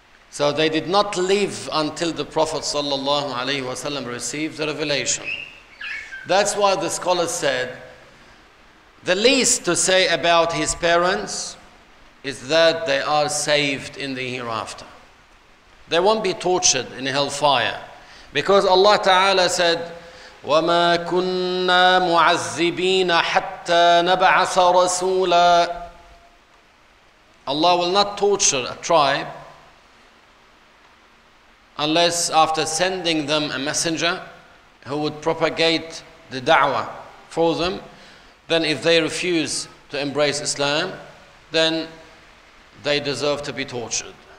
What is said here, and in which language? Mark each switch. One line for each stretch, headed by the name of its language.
English: So they did not live until the Prophet sallallahu alaihi wasallam received the revelation. That's why the scholars said, the least to say about his parents is that they are saved in the hereafter. They won't be tortured in hellfire. Because Allah Ta'ala said,
Arabic: وَمَا كُنَّا مُعَذِّبِينَ حَتَّى نَبْعَثَ رَسُولًا.
English: Allah will not torture a tribe unless after sending them a messenger who would propagate the da'wah for them. Then if they refuse to embrace Islam, then they deserve to be tortured.